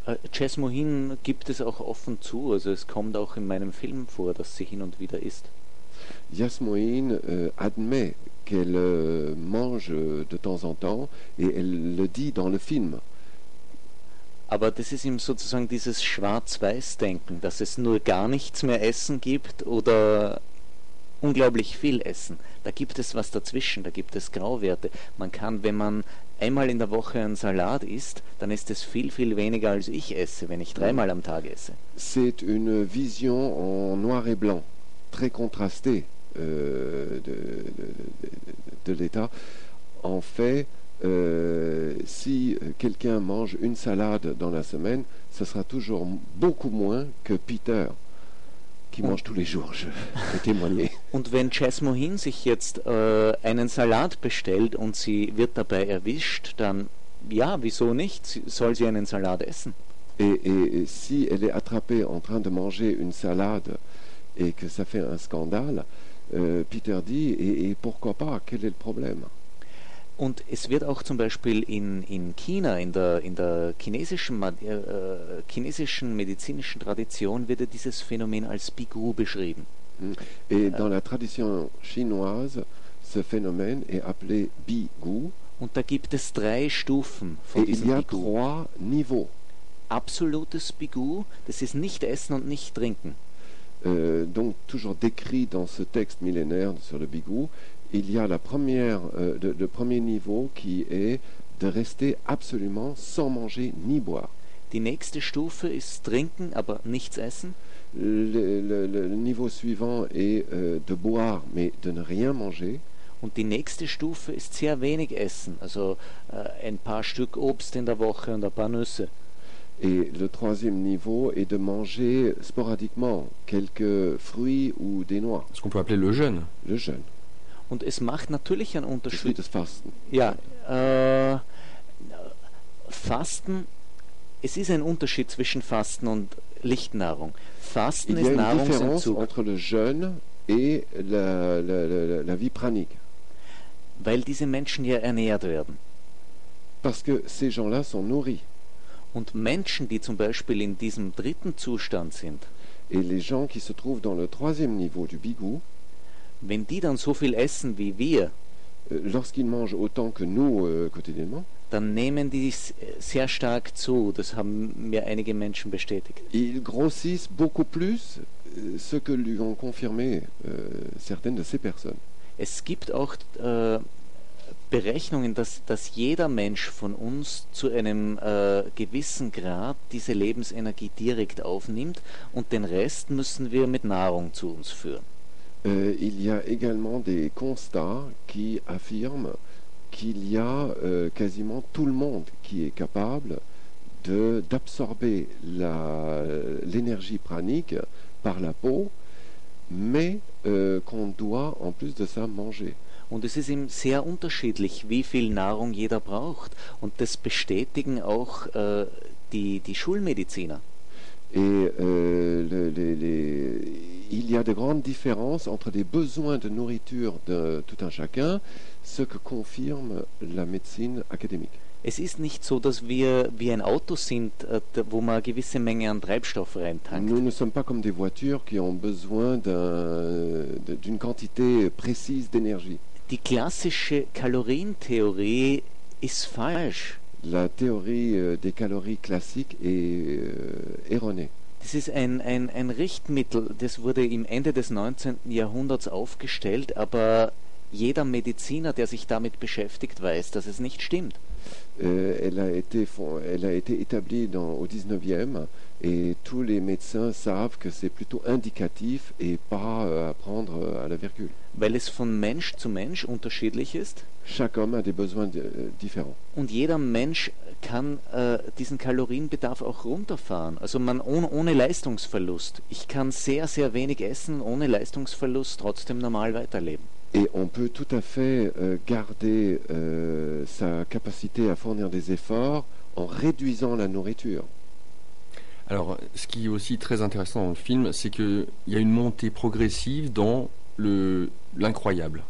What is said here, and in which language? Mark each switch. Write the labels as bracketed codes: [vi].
[de] Jasmin gibt es auch offen zu, also es kommt auch in meinem Film vor, dass sie hin und wieder isst. [fr] Jasmin admet qu'elle mange de temps en temps et elle le dit dans le film. [de] Aber das ist ihm sozusagen dieses Schwarz-Weiß-Denken, dass es nur gar nichts mehr Essen gibt oder unglaublich viel Essen. Da gibt es was dazwischen, da gibt es Grauwerte. Man kann, wenn man einmal in der Woche einen Salat isst, dann ist es viel, viel weniger, als ich esse, wenn ich dreimal am Tag esse. [fr] C'est une vision en noir et blanc, très contrastée de l'État. En fait, si quelqu'un mange une salade dans la semaine, ce sera toujours beaucoup moins que Peter. [de] Und wenn Jasmin sich jetzt einen Salat bestellt und sie wird dabei erwischt, dann ja, wieso nicht? Soll sie einen Salat essen? [fr] Et si elle est attrapée en train de manger une salade et que ça fait un scandale, Peter dit et pourquoi pas? Quel est le problème? [de] Und es wird auch zum Beispiel in China, in der chinesischen medizinischen Tradition, wird dieses Phänomen als Bigu beschrieben. [fr] Et dans la tradition chinoise, ce phénomène est appelé Bigu. [de] Und da gibt es drei Stufen von [fr] Et [de] diesem [fr] il y a [de] Bigu. [fr] Trois niveaux. [de] Absolutes Bigu, das ist nicht essen und nicht trinken. [fr] Donc toujours décrit dans ce texte millénaire sur le Bigu. Il y a la première, le premier niveau qui est de rester absolument sans manger ni boire. [de] Die nächste Stufe ist trinken, aber nichts essen. [fr] Le niveau suivant est de boire, mais de ne rien manger. [de] Und die nächste Stufe ist sehr wenig essen, also ein paar Stück Obst in der Woche und ein paar Nüsse. [fr] Et le troisième niveau est de manger sporadiquement quelques fruits ou des noix. Ce qu'on peut appeler le jeûne. Le jeûne. [de] Und es macht natürlich einen Unterschied. Das Fasten. Ja, Fasten, es ist ein Unterschied zwischen Fasten und Lichtnahrung. Fasten ist Nahrungsentzug. [fr] Entre le jeûne et la vie pranique. [de] Weil diese Menschen hier ernährt werden. [fr] Parce que ces gens-là sont nourris. [de] Und Menschen, die zum Beispiel in diesem dritten Zustand sind. [fr] Et les gens qui se trouvent dans le troisième niveau du Bigou. [de] Wenn die dann so viel essen wie wir, [fr] lorsqu'ils mangent autant que nous quotidiennement, [de] dann nehmen die sehr stark zu. Das haben mir einige Menschen bestätigt. [fr] Ils grossissent beaucoup plus, ce que lui ont confirmé certaines de ces personnes. [de] Es gibt auch Berechnungen, dass jeder Mensch von uns zu einem gewissen Grad diese Lebensenergie direkt aufnimmt und den Rest müssen wir mit Nahrung zu uns führen. [fr] Il y a également des constats qui affirment qu'il y a quasiment tout le monde qui est capable d'absorber l'énergie pranique par la peau, mais qu'on doit en plus de ça manger. [de] Und es ist eben sehr unterschiedlich, wie viel Nahrung jeder braucht. Und das bestätigen auch die Schulmediziner. [fr] Et il y a de grandes différences entre les besoins de nourriture de tout un chacun, ce que confirme la médecine académique. [de] Es ist nicht so, dass wir wie ein Auto sind, wo man eine gewisse Menge an Treibstoff reintankt. [fr] Nous ne sommes pas comme des voitures qui ont besoin d'une quantité précise d'énergie. [de] Die klassische Kalorientheorie ist falsch. [fr] La théorie des calories classiques est erronée. [de] Das ist ein Richtmittel, das wurde im Ende des 19. Jahrhunderts aufgestellt, aber jeder Mediziner, der sich damit beschäftigt, weiß, dass es nicht stimmt. [fr] Elle a été établie dans au 19e et tous les médecins savent que c'est plutôt indicatif et pas à prendre à la virgule. [de] Weil es von Mensch zu Mensch unterschiedlich ist. [fr] Chaque homme a des besoins différents. [de] Und jeder Mensch kann diesen Kalorienbedarf auch runterfahren. Also man ohne Leistungsverlust. Ich kann sehr, sehr wenig essen, ohne Leistungsverlust trotzdem normal weiterleben. [fr] Et on peut tout à fait garder sa capacité à fournir des efforts en réduisant la nourriture. Alors, ce qui est aussi très intéressant dans le film, c'est qu'il y a une montée progressive dans l'incroyable.